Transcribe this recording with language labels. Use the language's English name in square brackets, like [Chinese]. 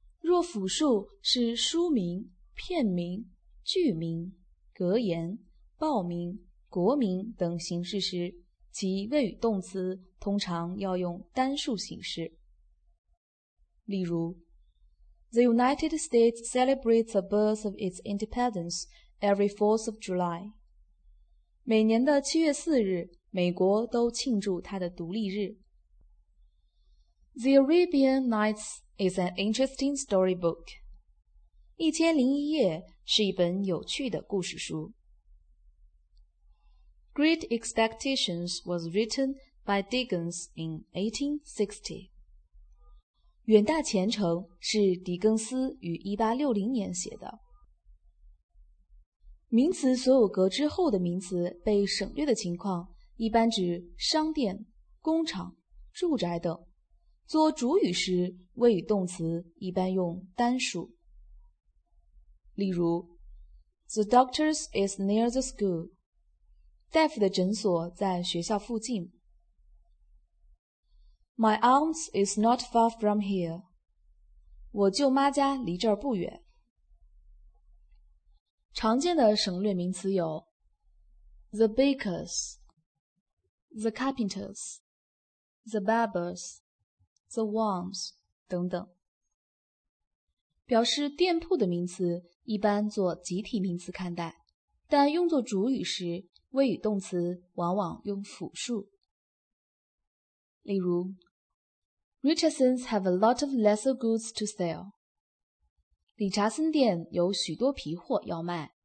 [Chinese] 若复数是书名、片名、剧名、格言、报名、国名等形式时，其谓语动词通常要用单数形式。 [English] 例如 The United States celebrates the birth of its independence every 4th of July. [Chinese] 每年的7月4日，美国都庆祝它的独立日。 [English] The Arabian Nights is an interesting storybook. [Chinese] 一千零一夜是一本有趣的故事书。 [English] Great Expectations was written by Dickens in 1860. [Chinese] 远大前程是狄更斯于1860年写的。名词所有格之后的名词被省略的情况，一般指商店、工厂、住宅等。做主语时，谓语动词一般用单数。 [English] 例如 The doctor's is near the school. [Chinese] 大夫的诊所在学校附近。 [English] My aunt's is not far from here. [Chinese] 我舅妈家离这儿不远。常见的省略名词有 [English] The baker's, The carpenter's, The barber's,The ones [Chinese] 等等。表示店铺的名词一般做集体名词看待，但用作主语时，谓语动词往往用复数。 [English] 例如 Richardson's have a lot of leather goods to sell. [Chinese] 理查森店有许多皮货要卖。